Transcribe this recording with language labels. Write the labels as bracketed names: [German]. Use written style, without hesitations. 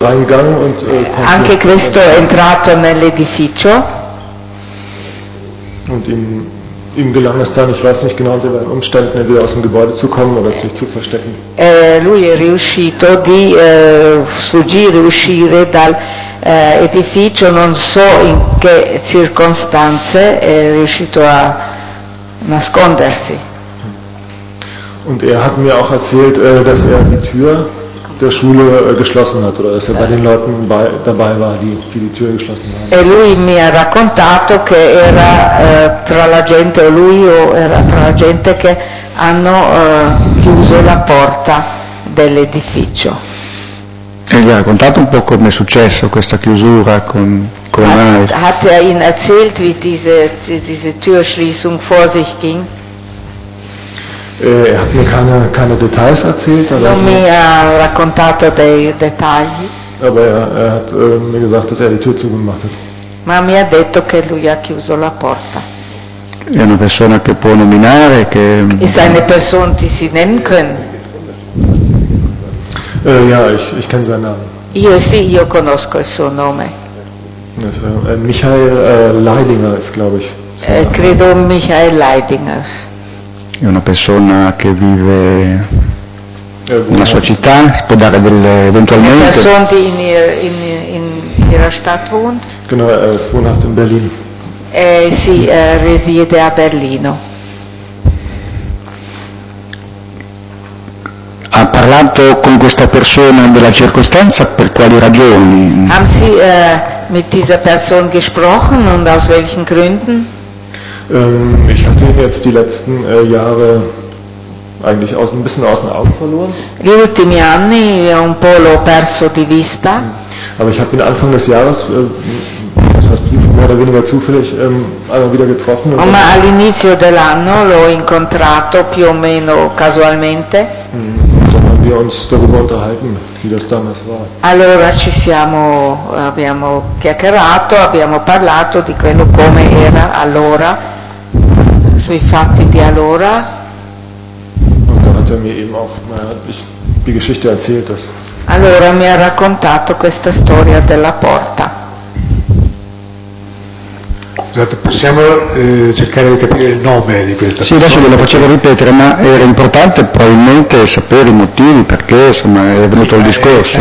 [Italian] Anche Cristo è entrato nell'edificio. [German] Und ihm gelang es dann, ich weiß nicht genau, unter welchen Umständen, wieder aus dem Gebäude zu kommen oder sich zu verstecken. [Italian] Lui è riuscito di fuggire, uscire dal edificio, non so in che circostanze è riuscito a nascondersi. [German] Und er hat mir auch erzählt, dass er die Tür der Schule geschlossen hat, oder dass er bei den Leuten dabei war, die Tür geschlossen haben. [Italian] E lui mi ha raccontato che era tra la gente, o lui o era tra la gente che hanno chiuso la porta dell'edificio. E gli ha raccontato un po' come è successo questa chiusura con Mario. [German] Hat er ihn erzählt, wie diese Türschließung vor sich ging? Er hat mir keine Details erzählt. [Italian] Non mi ha raccontato dei dettagli. [German] Aber er hat mir gesagt, dass er die Tür zugemacht hat. [Italian] Ma mi ha detto che lui ha chiuso la porta. È una persona che può nominare, che. [German] Ist eine Person, die Sie nennen können. Ja, ich kenne seinen Namen. [Italian] Io conosco il suo nome. [German] Michael Leidinger ist, glaube ich. [Italian] Credo Michael Leidinger. È una persona che vive nella sua città, si può dare delle eventualmente. Una persona che [German] in ihrer Stadt wohnt. Genau, er ist wohnhaft in Berlin. [Italian] Sì, risiede a Berlino. Ha parlato con questa persona della circostanza per quali ragioni? [German] Haben Sie mit dieser Person gesprochen und aus welchen Gründen? Ich hatte ihn jetzt die letzten Jahre eigentlich ein bisschen aus den Augen verloren. [Italian] Gli ultimi anni un po' l'ho perso di vista. [German] Aber ich habe ihn Anfang des Jahres, das heißt mehr oder weniger zufällig, einmal wieder getroffen. [Italian] Ma all'inizio dell'anno l'ho incontrato più o meno casualmente. [German] Dann haben wir uns darüber unterhalten, wie das damals war. [Italian] Allora ci siamo, abbiamo chiacchierato, abbiamo parlato di quello come era allora, sui fatti di allora. [German] Und dann hat er mir eben auch die Geschichte erzählt. Dass [Italian] allora mi ha raccontato questa storia della porta. Esatto, possiamo cercare di capire il nome di questa persona? Sì, adesso glielo facevo ripetere, ma era importante probabilmente sapere i motivi, perché insomma è venuto il discorso.